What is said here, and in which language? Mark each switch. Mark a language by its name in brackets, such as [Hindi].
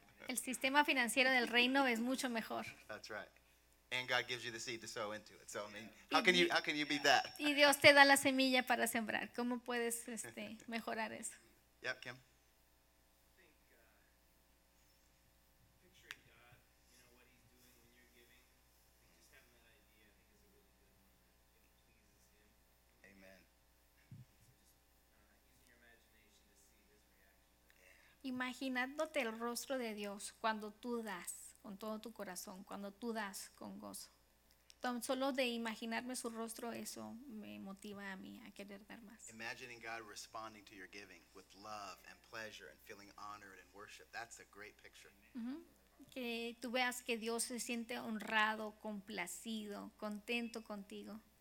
[Spanish] El sistema financiero del reino es mucho mejor. [English] That's right. And God gives you the seed to sow into it. So I mean, how can you beat that? [Spanish] Y Dios te da la semilla para sembrar. ¿Cómo puedes mejorar eso? [English] Yep, Kim. [Spanish] Imaginándote el rostro de Dios cuando tú das. Con todo tu corazón, cuando tú das con gozo. Tan solo de imaginarme su rostro, eso me motiva a mí a querer dar más. [English] Imagining God responding to your giving with love and pleasure and feeling honored and worship. That's a great picture. [Spanish] Mm-hmm. Que tú veas que Dios se siente honrado, complacido, contento contigo.